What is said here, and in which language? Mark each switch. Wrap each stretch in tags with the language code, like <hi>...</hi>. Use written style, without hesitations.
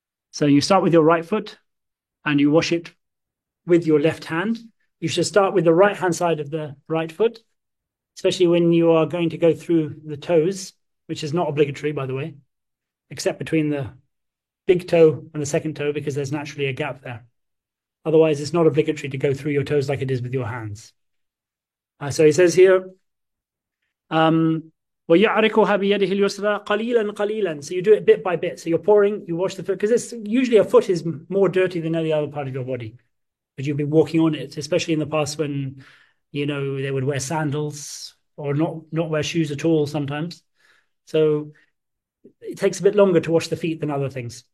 <en>So you start with your right foot and you wash it with your left hand. You should start with the right hand side of the right foot especially when you are going to go through the toes, which is not obligatory, by the way, except between the big toe and the second toe, because there's naturally a gap there. Otherwise, it's not obligatory to go through your toes like it is with your hands. So he says here,</en> <ar>وَيَعْرِكُهَا بِيَدِهِ الْيُسْرَى قَلِيلًا قَلِيلًا.</ar> <en>So you do it bit by bit. So you're pouring, you wash the foot, because it's usually a foot is more dirty than any other part of your body. But you'd be walking on it, especially in the past when, you know, they would wear sandals or not wear shoes at all sometimes. So it takes a bit longer to wash the feet than other things.</en>